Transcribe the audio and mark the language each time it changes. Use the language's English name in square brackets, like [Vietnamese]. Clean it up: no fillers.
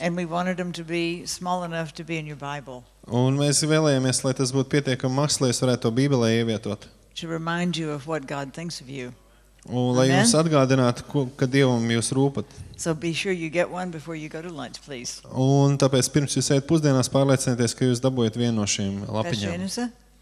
[English] And we wanted them to be small enough to be in your Bible. [Latvian] Un mēs vēlējāmies, lai tas būtu pietiekami maks, lai es varētu to Bībelē ievietot. [English] To remind you of what God thinks of you. [Latvian] Un lai jums atgādinātu, ka Dievam jūs rūpat. [English] So be sure you get one before you go to lunch, please. [Latvian] Un tāpēc pirms jūs ejat pusdienās, pārliecinieties, ka jūs dabūjat vienu no šīm lapiņām.